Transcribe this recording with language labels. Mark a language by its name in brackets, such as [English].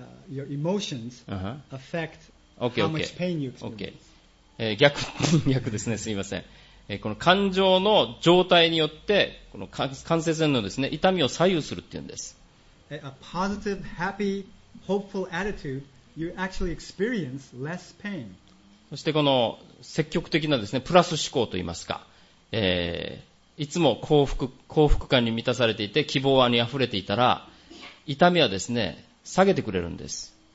[English] Your emotions affect how much pain you experience. Okay. [Japanese] 逆ですね。すみません。この感情の状態によってこの関節炎のですね痛みを左右するっていうんです。 [English] A positive, happy, hopeful attitude, you actually experience less pain. [Japanese] そしてこの積極的なですねプラス思考といいますか、いつも幸福感に満たされていて希望に溢れていたら。痛みはですね、下げてくれるんです。